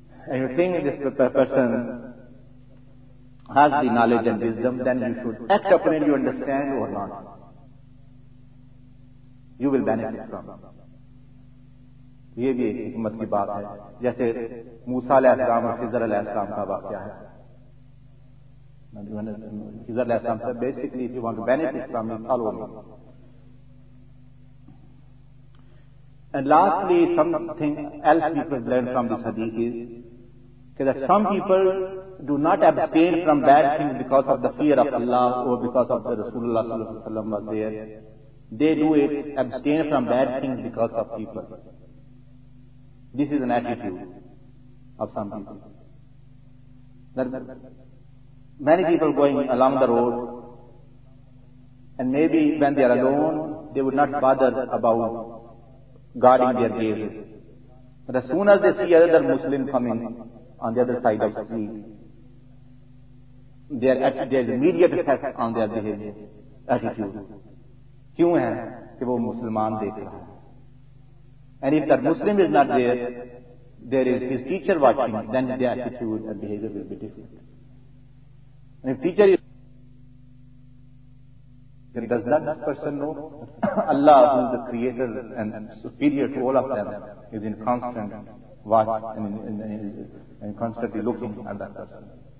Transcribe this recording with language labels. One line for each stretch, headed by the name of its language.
English: And you think this person has the knowledge and wisdom, then you should act upon it, you understand or not. You will benefit from it.
Urdu: یہ بھی ایک حکمت کی بات ہے, جیسے موسیٰ علیہ السلام اور خضر علیہ السلام کا واقعہ ہے. خضر علیہ السلام سے
English: basically if you want to benefit from it, follow me. And lastly, something else people have learned from this hadith is that some people do not abstain from bad things because of the fear of Allah or because of the Rasulullah sallallahu alaihi wasallam was there. They do it, abstain from bad things because of people. This is an attitude of some people. That many people going along the road, and maybe when they are alone, they would not bother about guarding their gazes. But as soon as they see another Muslim coming on the other side of the street, there is immediate effect on their behavior, attitude.
Urdu: کیوں ہے کہ وہ مسلمان دیکھ رہا ہے.
English: And if that Muslim is not there, there is his teacher watching, then their attitude and behavior will be different. And if teacher is, then does not this person know? Allah, who is the creator and superior to all of them, is in constant watch and in constantly looking at that person.